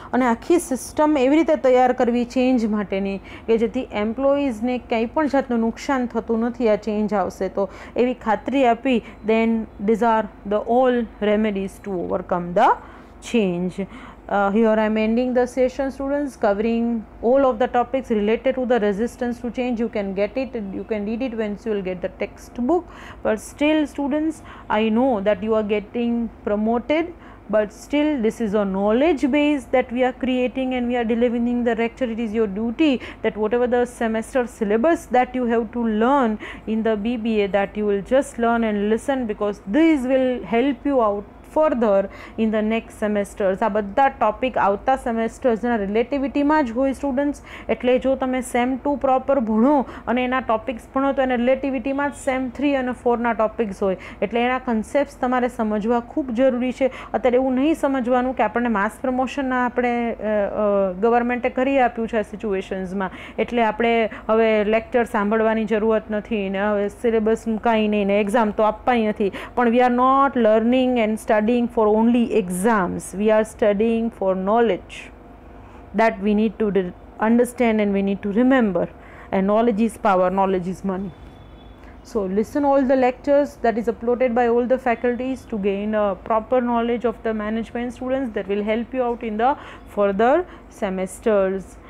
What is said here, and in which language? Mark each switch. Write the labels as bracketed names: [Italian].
[Gujarati] અને આખી સિસ્ટમ એવી રીતે તૈયાર કરવી ચેન્જ માટેની કે જેથી એમ્પ્લોઈઝને કંઈ પણ જાતનું નુકસાન થતું નથી આ ચેન્જ આવશે તો, એવી ખાતરી આપી. [English] Then these are the all remedies to overcome the change. Here I am ending the session students, covering all of the topics related to the resistance to change. You can get it, you can read it once you will get the text book. But still students, I know that you are getting promoted, but still this is a knowledge base that we are creating and we are delivering the lecture. It is your duty that whatever the semester syllabus that you have to learn in the BBA, that you will just learn and listen, because this will help you out further in the next semesters. [Gujarati] આ બધા topic આવતા સેમેસ્ટર્સના રિલેટિવિટીમાં જ હોય students. એટલે જો તમે same to proper ભણો અને એના ટોપિક્સ ભણો તો એના રિલેટિવિટીમાં જ સેમ થ્રી અને ફોરના ટોપિક્સ હોય. એટલે એના કન્સેપ્ટ તમારે સમજવા ખૂબ જરૂરી છે. અત્યારે એવું નહીં સમજવાનું કે આપણને માસ પ્રમોશન આપણે ગવર્મેન્ટે કરી આપ્યું છે આ સિચ્યુએશન્સમાં, એટલે આપણે હવે લેક્ચર સાંભળવાની જરૂરત નથી ને હવે સિલેબસ કાંઈ નહીં ને એક્ઝામ તો આપવાની નથી. [English] પણ we are not learning and studying for only exams, we are studying for knowledge that we need to understand and we need to remember, and knowledge is power, knowledge is money. So listen all the lectures that is uploaded by all the faculties to gain a proper knowledge of the management students that will help you out in the further semesters.